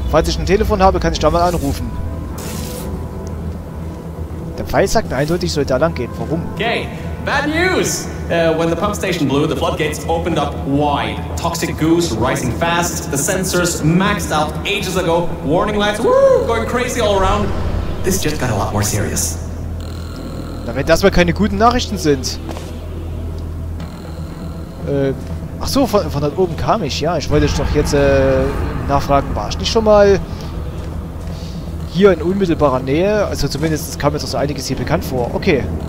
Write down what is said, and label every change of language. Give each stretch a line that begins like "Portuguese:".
German: Falls ich ein Telefon habe, kann ich da mal anrufen. Der Pfeil sagt mir eindeutig, ich soll da lang gehen. Warum?
English: Okay, bad news! When the pump station blew, the floodgates opened up wide. Toxic goose rising fast. The sensors maxed out ages ago. Warning lights, woo! Going crazy all around. This just got a lot more serious.
German: Na, wenn das mal keine guten Nachrichten sind. Ach so, von dort oben kam ich. Ja, ich wollte doch jetzt nachfragen, war ich nicht schon mal hier in unmittelbarer Nähe? Also zumindest kam mir doch so einiges hier bekannt vor. Okay.